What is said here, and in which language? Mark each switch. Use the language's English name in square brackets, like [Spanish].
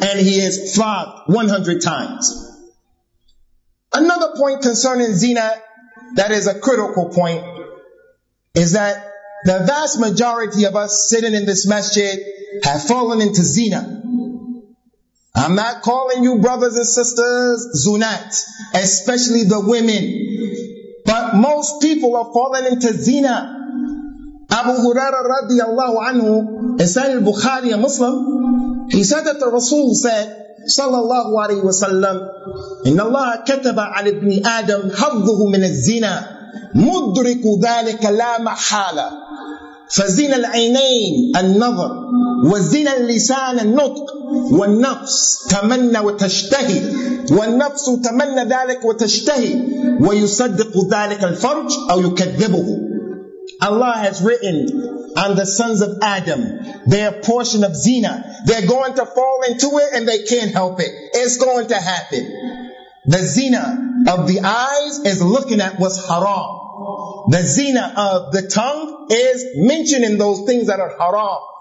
[English] And he is flogged 100 times. Another point concerning zina that is a critical point is that the vast majority of us sitting in this masjid have fallen into zina. I'm not calling you brothers and sisters zunat, especially the women. But most people have fallen into zina. Abu Hurairah radiallahu anhu, Isaiah al-Bukhari, a Muslim, he said that the Rasul said, sallallahu alayhi wa sallam, [Arabic] إن الله كتب على ابن آدم حظه من الزنا مدرك ذلك لا محالة فزنا العينين النظر وزنا اللسان النطق والنفس تمنى وتشتهي والنفس تمنى ذلك وتشتهي ويصدق ذلك الفرج أو يكذبه. [English] Allah has written on the sons of Adam their portion of zina. They're going to fall into it and they can't help it. It's going to happen. The zina of the eyes is looking at what's haram. The zina of the tongue is mentioning those things that are haram.